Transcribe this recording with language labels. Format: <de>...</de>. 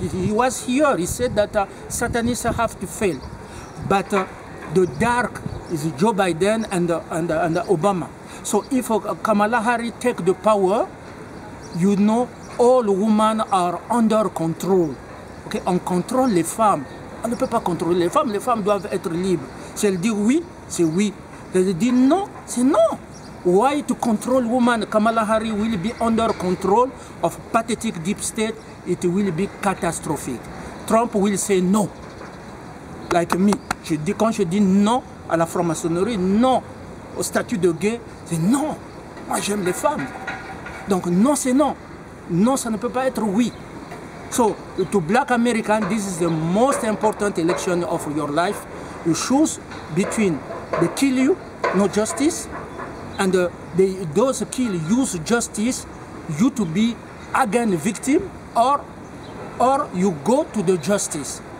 <en>He was here. He said that Satanists have to fail. But the dark is Joe Biden and Obama. So if Kamala Harris take the power, you know all women are under control.</en> <fr>Okay? On contrôle les femmes. On ne peut pas contrôler les femmes. Les femmes doivent être libres. Si elles disent oui, c'est oui. Si elles disent non, c'est non.</fr> <en>Why to control women? Kamala Harris will be under control of pathetic deep state. It will be catastrophic. Trump will say no. Like me.</en> <fr>Quand je dis non à la franc-maçonnerie, non au statut de gay, c'est non. Moi, j'aime les femmes. Donc, non, c'est non. Non, ça ne peut pas être oui.</fr> <en>So, to black American, this is the most important election of your life. You choose between they kill you, no justice, and those kill use justice, you to be again victim, or you go to the justice.</en>